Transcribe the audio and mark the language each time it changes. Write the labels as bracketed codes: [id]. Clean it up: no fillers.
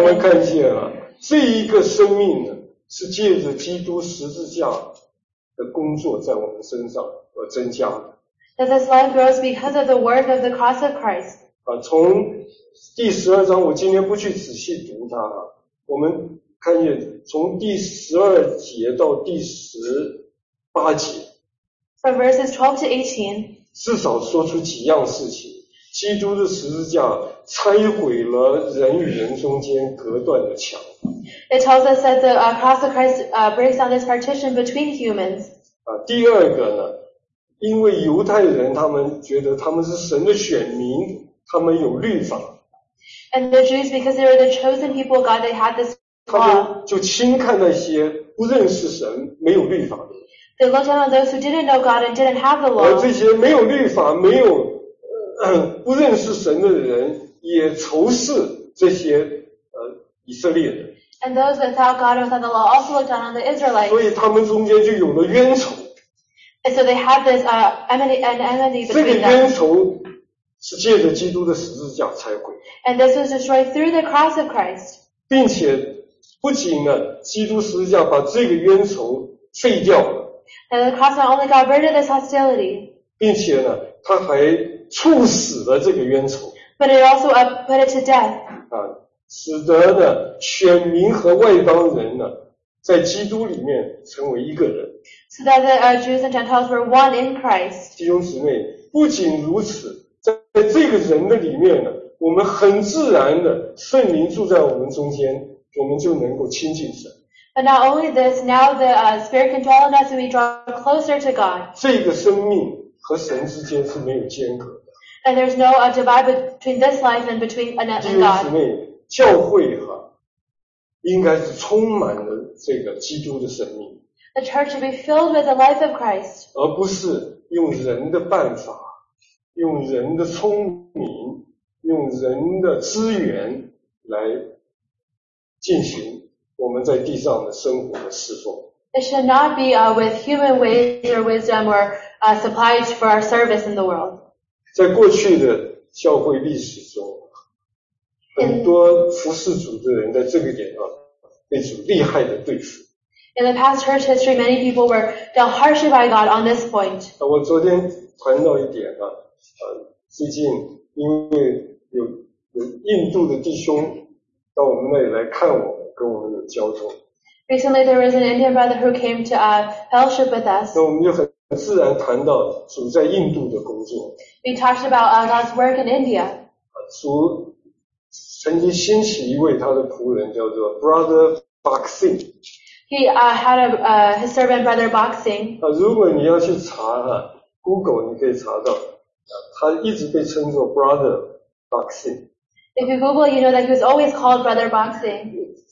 [zh] 我们看见了，这一个生命呢，是借着基督十字架的工作在我们身上而增加的。 [en] That this life grows because of the work of the cross of Christ. [zh] 从第十二章，我今天不去仔细读它，我们看见从第十二节到第十八节。 [en] From verses 12 to 18. [zh] 至少说出几样事情。基督的十字架拆毁了人与人中间隔断的墙。 [en] It tells us that the cross of Christ breaks down this partition between humans. [zh] 第二个呢，因为犹太人他们觉得他们是神的选民，他们有律法。 [en] And the Jews, because they were the chosen people of God, they had this law. [zh] 他们就轻看那些不认识神、没有律法的。 [en] They looked down on those who didn't know God and didn't have the law. [zh] 而这些没有律法、没有不认识神的人也仇视这些以色列人。 [en] And those without God and without the law also looked down on the Israelites. [zh] 所以他们中间就有了冤仇。 [en] And so they have this enmity between them. [zh] 这个冤仇是借着基督的十字架拆毁。 [en] And this was destroyed through the cross of Christ. [zh] 并且不仅呢，基督十字架把这个冤仇废掉了。 [en] And the cross not only got rid of this hostility. [zh] 并且呢，他还促使了这个冤仇。 [en] But it also put it to death. [zh] 使得呢，选民和外邦人呢，在基督里面成为一个人。 [en] So that the Jews and Gentiles were one in Christ. [zh] 弟兄姊妹，不仅如此，在这个人的里面呢，我们很自然的圣灵住在我们中间，我们就能够亲近神。 [en] But not only this, now the Spirit can dwell in us and we draw closer to God. [zh] 这个生命和神之间是没有间隔的。 [en] And there's no divide between this life and between another God. [zh] 弟兄姊妹，教会哈，应该是充满了这个基督的生命。 [en] The church should be filled with the life of Christ. [zh] 而不是用人的办法，用人的聪明，用人的资源来进行我们在地上的生活的侍奉。 [en] It should not be with human ways or wisdom or supplies for our service in the world. [zh] 在过去的教会历史中，很多服侍主的人在这个点上被主厉害的对付。 [en] In the past church history, many people were dealt harshly by God on this point. [zh] 我昨天谈到一点啊，最近因为有印度的弟兄到我们那里来看我，跟我们有交通。 [en] Recently, there was an Indian brother who came to fellowship with us. [zh] 那我们就很自然谈到主在印度的工作。 [en] We talked about God's work in India. [zh] 主曾经兴起一位他的仆人叫做 Brother Boxing。 [en] He had his servant brother Boxing. [zh] 如果你要去查哈 ，Google 你可以查到。他一直被称作 Brother Boxing。 [en] If you Google, you know that he was always called Brother Boxing.